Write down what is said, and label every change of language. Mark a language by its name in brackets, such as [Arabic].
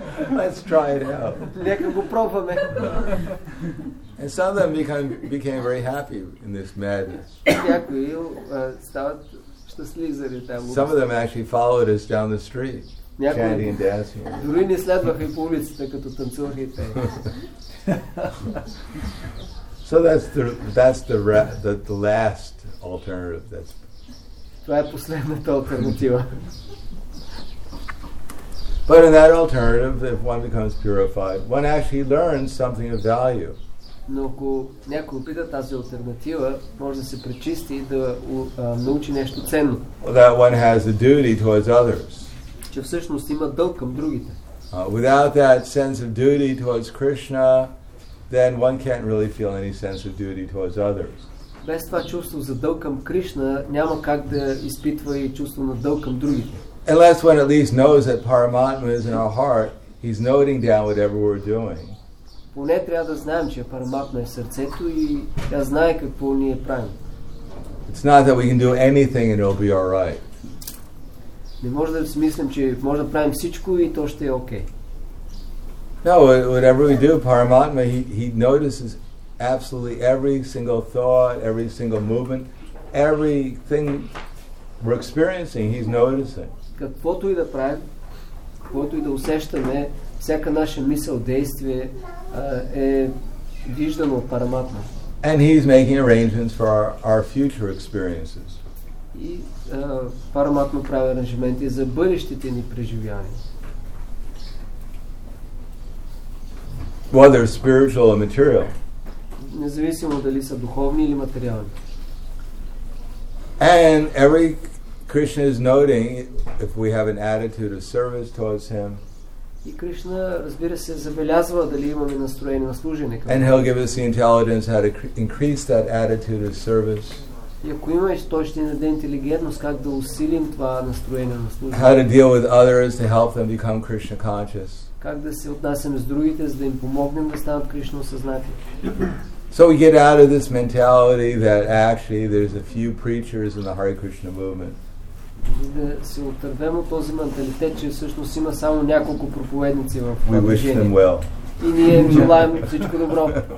[English] Let's try it out. And some of them became very happy in this madness. Some of them actually followed us down the street. [Bulgarian] Дори не следваха и по улицата, като танцуваха и те. [English] So that's the last alternative. That's. [Bulgarian] Това е последната алтернатива. [English] But in that alternative, if one becomes purified, one actually learns something of value. [Bulgarian] Но ако някой опита тази алтернатива, може да се пречисти и да научи нещо ценно. [English] That one has a duty towards others. [Bulgarian] Че всъщност има дълг към другите. [English] Without that sense of duty towards Krishna, then one can't really feel any sense of duty towards others. [Bulgarian] Без това чувство за дълг към Кришна, няма как да изпитва и чувство на дълг към другите. [English] Unless one at least knows that Paramatma is in our heart, he's noting down whatever we're doing. [Bulgarian] Поне трябва да знаем, че Параматма е сърцето и да знае какво ние правим. [English] It's not that we can do anything and it'll be all right. [Bulgarian] Не може да си мислим, че може да правим всичко и то ще е окей. [English] No, whatever we do, Paramatma, he notices absolutely every single thought, every single movement, everything we're experiencing, he's noticing. [Bulgarian] Каквото и да правим, каквото и да усещаме, всяка наша мисъл, действие е виждано от Параматма. [English] And he's making arrangements for our future experiences. [Bulgarian] И Параматма прави аранжименти за бъдещите ни преживявания. [English] Whether spiritual or material. [Bulgarian] Независимо дали са духовни или материални. [English] And every Krishna is noting if we have an attitude of service towards him. [Bulgarian] И Кришна, разбира се, забелязва дали имаме настроение на служене. [English] And he'll give us the intelligence how to increase that attitude of service. [Bulgarian] И ако имаш точно на ден интелигентност, как да усилим това настроение на служба? [English] How to deal with others to help them become Krishna conscious? [Bulgarian] Как да се отнасяме с другите, за да им помогнем да станат Кришна осъзнатели? [English] So we get out of this mentality that actually there's a few preachers in the Hare Krishna movement. [Bulgarian] Да се отървем от този менталитет, че всъщност има само няколко проповедници в движение. [English] We wish them well. [Bulgarian] И ние желаем всичко добро.